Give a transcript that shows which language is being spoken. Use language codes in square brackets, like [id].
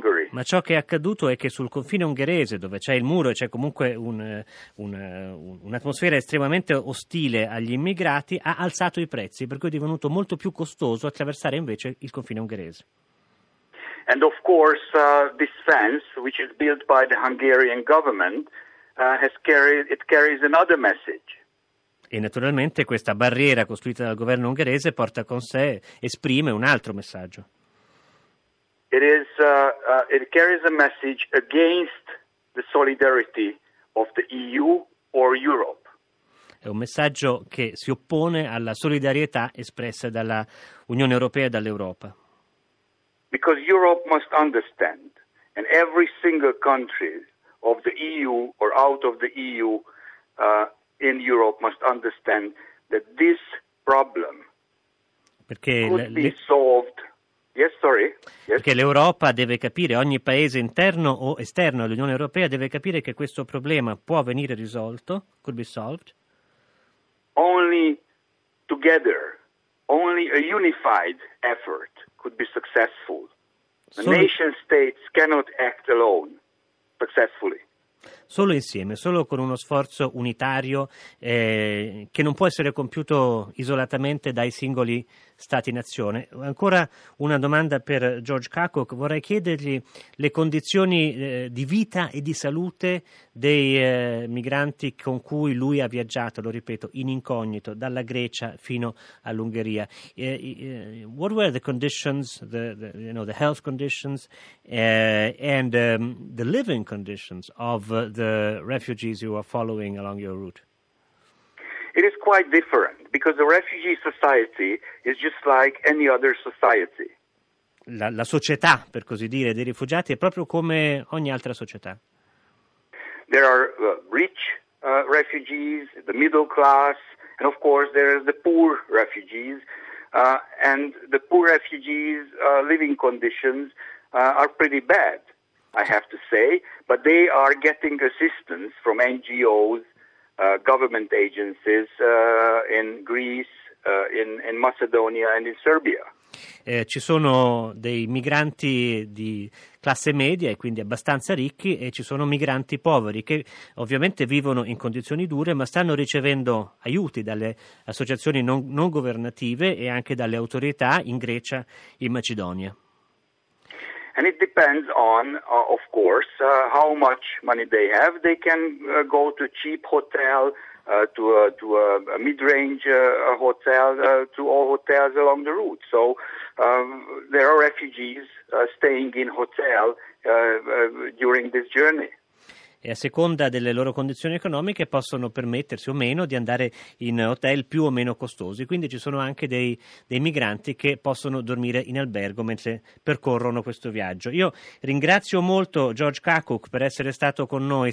[it] Ma ciò che è accaduto è che sul confine ungherese, dove c'è il muro e c'è comunque un'atmosfera estremamente ostile agli immigrati, ha alzato i prezzi, per cui è divenuto molto più costoso attraversare invece il confine ungherese. [en] And of course, this fence, which is built by the Hungarian government, carries another message. [it] E naturalmente questa barriera costruita dal governo ungherese porta con sé, esprime un altro messaggio. [en] It carries a message against the solidarity of the EU or Europe. [it] È un messaggio che si oppone alla solidarietà espressa dalla Unione Europea e dall'Europa. [en] Because Europe must understand, and every single country of the EU or out of the EU in Europe must understand that this problem could be solved. [it] Perché l'Europa deve capire, ogni paese interno o esterno all'Unione Europea deve capire che questo problema può venire risolto, [en] could be solved. Only together, only a unified effort could be successful. Nation states cannot act alone successfully. [it] Solo insieme, solo con uno sforzo unitario che non può essere compiuto isolatamente dai singoli stati-nazione. Ancora una domanda per George Kakuk. Vorrei chiedergli le condizioni di vita e di salute dei migranti con cui lui ha viaggiato, lo ripeto, in incognito, dalla Grecia fino all'Ungheria. [en] What were the conditions, the health conditions and the living conditions of the refugees you are following along your route? It is quite different because the refugee society is just like any other society. [it] La società, per così dire, dei rifugiati è proprio come ogni altra società. [en] There are rich refugees, the middle class, and of course there are the poor refugees. And the poor refugees' living conditions are pretty bad, I have to say. But they are getting assistance from NGOs, government agencies in Greece, in Macedonia and in Serbia. [it] Ci sono dei migranti di classe media e quindi abbastanza ricchi e ci sono migranti poveri che ovviamente vivono in condizioni dure ma stanno ricevendo aiuti dalle associazioni non governative e anche dalle autorità in Grecia e in Macedonia. [en] And it depends on, of course, how much money they have. They can go to a cheap hotel, to a mid-range hotel, to all hotels along the route. So there are refugees staying in hotel during this journey. [it] E a seconda delle loro condizioni economiche possono permettersi o meno di andare in hotel più o meno costosi. Quindi ci sono anche dei migranti che possono dormire in albergo mentre percorrono questo viaggio. Io ringrazio molto George Kakuk per essere stato con noi.